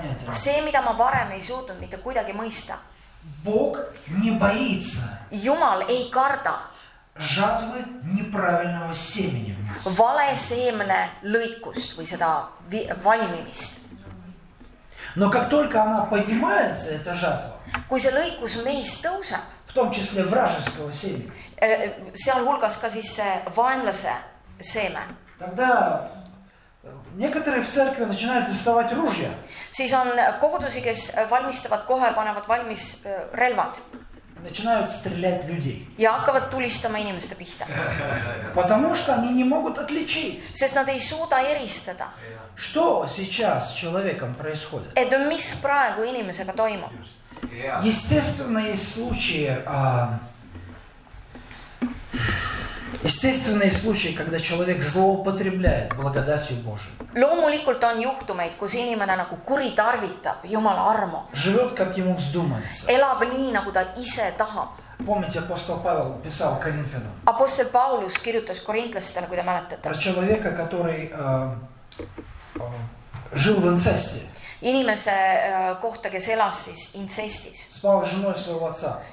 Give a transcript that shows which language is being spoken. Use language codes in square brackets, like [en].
[et] See, mida ma varem ei suutnud mitte kuidagi mõista. [ru] Бог не боится. [et] Jumal ei karda. [ru] Жатвы неправильного семени. [et] Vale seemne lõikust või seda valmimist. [ru] Но как только она поднимается, эта жатва. [et] Kui see lõikus meist tõuseb. [ru] В том числе вражеского семени. [et] Seal hulgas ka siis vaenlase seeme. [ru] Тогда некоторые в церкви начинают доставать ружья. [et] Siis on kogudusi, kes valmistavad kohe, panevad valmis relvad. [ru] Начинают стрелять людей. [et] Ja hakkavad tulistama inimeste pihta. [ru] Потому что они не могут отличить. [et] Sest nad ei suuda eristada. [ru] Что сейчас с человеком происходит? [et] Et mis praegu inimesega toimub? [ru] Естественно, есть случаи... Естественные случаи, когда человек злоупотребляет благодатью Божией. [et] Loomulikult on juhtumeid, kus inimene nagu kuritarvitab Jumala armu. [ru] Живёт, как ему вздумается. [et] Elab nii, nagu ta ise tahab. [ru] Помните, апостол Павел писал Коринфянам. [et] Апостол Паулус kirjutas korintlastele, kui te mäletate. [ru] Про человека, который жил в инцесте. [et] Inimese kohta, kes elas siis incestis. [ru] Спал с женой своего отца.